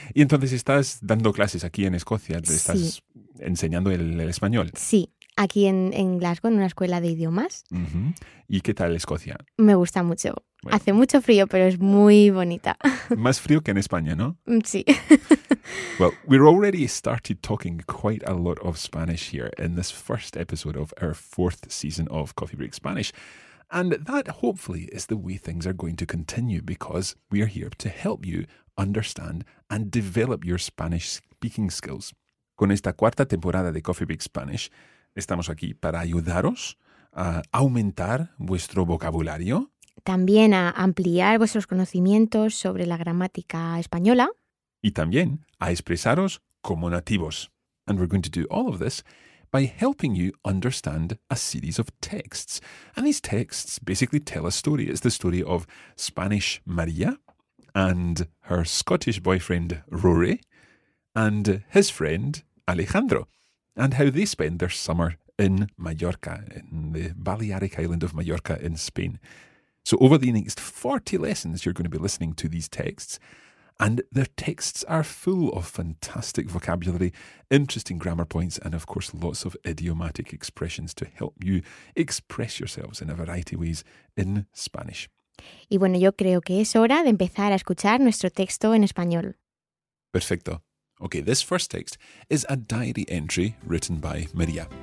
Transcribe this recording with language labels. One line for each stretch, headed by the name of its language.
Spanish: Y entonces estás dando clases aquí en Escocia, estás enseñando el español. Sí, aquí en Glasgow, en una escuela de idiomas. ¿Y qué tal Escocia? Me gusta mucho. Bueno. Hace mucho frío, pero es muy bonita. Más frío que en España, ¿no? Sí.
English: Well, we're already started talking quite a lot of Spanish here in this first episode of our fourth season of Coffee Break Spanish. And that, hopefully, is the way things are going to continue because we are here to help you understand and develop your Spanish speaking skills.
Spanish: Con esta cuarta temporada de Coffee Break Spanish, estamos aquí para ayudaros a aumentar vuestro vocabulario. También a ampliar vuestros conocimientos sobre la gramática española. Y también a expresaros como nativos.
English: And we're going to do all of this by helping you understand a series of texts. And these texts basically tell a story. It's the story of Spanish Maria and her Scottish boyfriend Rory and his friend Alejandro and how they spend their summer in Mallorca, in the Balearic island of Mallorca in Spain. So over the next 40 lessons, you're going to be listening to these texts. And their texts are full of fantastic vocabulary, interesting grammar points, and of course, lots of idiomatic expressions to help you express yourselves in a variety of ways in Spanish.
Spanish: Y bueno, yo creo que es hora de empezar a escuchar nuestro texto en español. Perfecto.
English: Okay, this first text is a diary entry written by María.